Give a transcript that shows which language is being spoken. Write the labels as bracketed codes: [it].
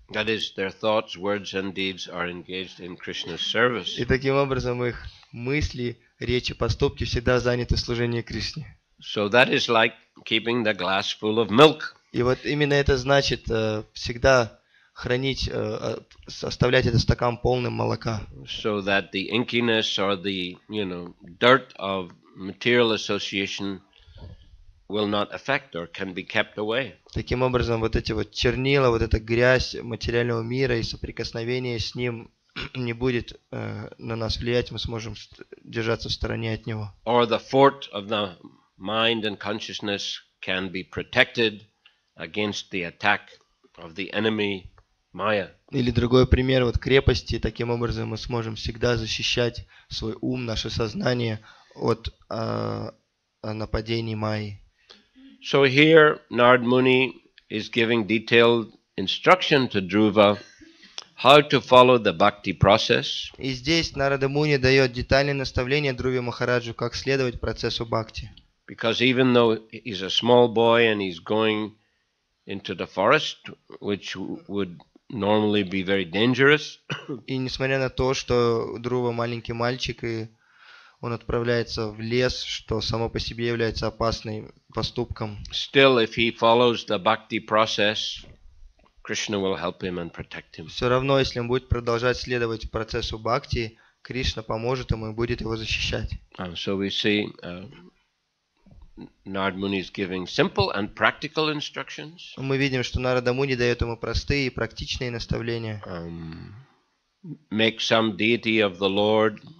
[en] That is, their thoughts, words and deeds are engaged in Krishna's service. [ru] И таким образом их мысли, речи, поступки всегда заняты служением Кришне. [en] So that is like keeping the glass full of milk. [ru] И вот именно это значит всегда хранить, оставлять этот стакан полным молока. [en] So that the inkiness or the, dirt of material association will not affect or can be kept away. [ru] Таким образом, вот эти вот чернила, вот эта грязь материального мира и соприкосновение с ним не будет на нас влиять, мы сможем держаться в стороне от него. [en] Or the fort of the mind and consciousness can be protected against the attack of the enemy. [ru] Или другой пример, вот крепости, таким образом мы сможем всегда защищать свой ум, наше сознание от нападений Майи. [en] So here Narad Muni is giving detailed instruction to Dhruva how to follow the bhakti process. [ru] И здесь Нарада Муни дает детальное наставление Друве Махараджу, как следовать процессу бхакти. [en] Because even though he's a small boy and he's going into the forest, which would normally be very dangerous. [ru] И несмотря на то, что Друва маленький мальчик и он отправляется в лес, что само по себе является опасным поступком. [en] Still, if he follows the bhakti process, Krishna will help him and protect him. [ru] Все равно, если он будет продолжать следовать процессу бхакти, Кришна поможет ему и будет его защищать. [en] So we see Narad Muni is giving simple and practical instructions. [ru] Мы видим, что Нарада Муни дает ему простые и практичные наставления. [en] Make some deity of the Lord.